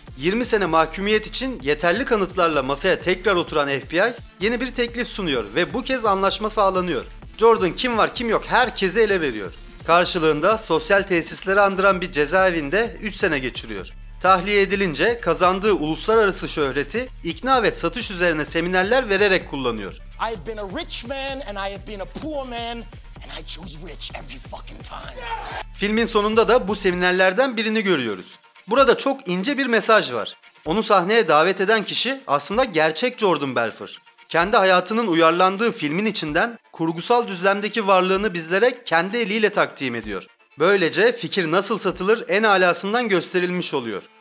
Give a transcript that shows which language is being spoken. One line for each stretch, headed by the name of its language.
Turkish: 20 sene mahkumiyet için yeterli kanıtlarla masaya tekrar oturan FBI yeni bir teklif sunuyor ve bu kez anlaşma sağlanıyor. Jordan kim var kim yok herkesi ele veriyor. Karşılığında sosyal tesisleri andıran bir cezaevinde 3 sene geçiriyor. Tahliye edilince kazandığı uluslararası şöhreti ikna ve satış üzerine seminerler vererek kullanıyor.
English: I've been a rich man and I've been a poor man. And I choose rich every fucking time.
Turkish: Filmin sonunda da bu seminerlerden birini görüyoruz. Burada çok ince bir mesaj var. Onu sahneye davet eden kişi aslında gerçek Jordan Belfort. Kendi hayatının uyarlandığı filmin içinden kurgusal düzlemdeki varlığını bizlere kendi eliyle takdim ediyor. Böylece fikir nasıl satılır en alasından gösterilmiş oluyor.